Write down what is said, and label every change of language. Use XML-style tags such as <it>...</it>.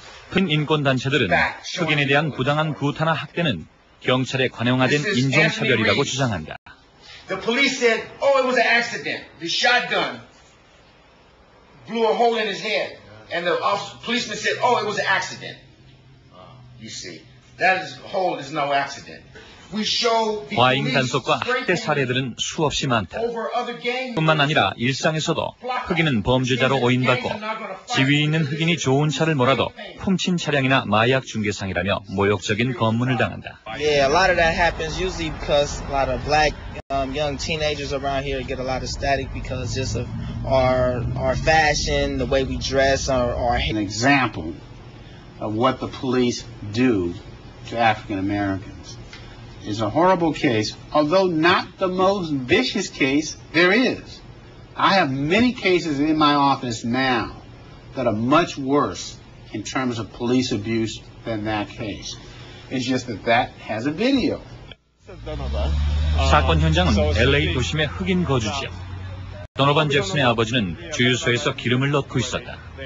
<ko>큰 인권단체들은 흑인에 대한 부당한 구타나 학대는 경찰에 관용화된 인종차별이라고 주장한다.</ko> <en>The police said, oh, it was an accident. The shotgun blew a hole in his head. And the policeman said, oh, it was an accident. You see. That is whole is no accident. We show the</en> <ko>과잉 단속과 학대 사례들은 수없이 많다. 뿐만 아니라 일상에서도 흑인은 범죄자로 오인받고 지위 있는 흑인이 좋은 차를 몰아도 훔친 차량이나 마약 중개상이라며 모욕적인 검문을 당한다.</ko> <en>Yeah, a lot of that happens usually because a lot of black young teenagers around here get a lot of static because just of our fashion, the way we dress, our an example of what the police do. To African Americans is a horrible case, although not the most vicious case there is. I have many cases in my office now that are much worse in terms of police abuse than that case. It's just that that has a video.</en> <ko>사건 현장은 LA 도심의 흑인 거주지. 도노반 잭슨의 아버지는 주유소에서 기름을 넣고 있었다.</ko>